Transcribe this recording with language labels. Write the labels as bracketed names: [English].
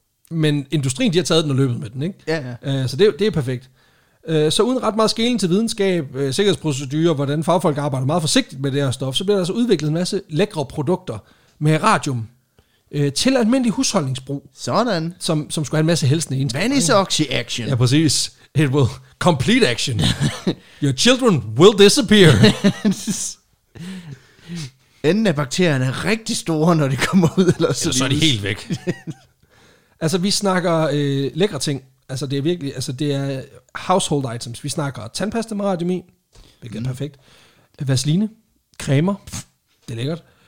[Danish] Men industrien, de har taget den og løbet med den, ikke? Ja, ja. Så det er perfekt. Så uden ret meget skelen til videnskab, sikkerhedsprocedurer, hvordan fagfolk arbejder meget forsigtigt med det her stof, så bliver der altså udviklet en masse lækre produkter med radium til almindelig husholdningsbrug. Sådan. Som skulle have en masse helsende egenskaber. Vanish oxy action. Ja, præcis. [English] It will complete action. Your children will disappear. [Danish] Enden af bakterierne er rigtig store, når de kommer ud. Eller så, så er de helt væk. Altså, vi snakker lækre ting. Altså, det er virkelig, altså, det er [English] household items. [Danish] Vi snakker tandpasta med radium i. Hvilket er perfekt. Vaseline. Cremer. Det er lækkert.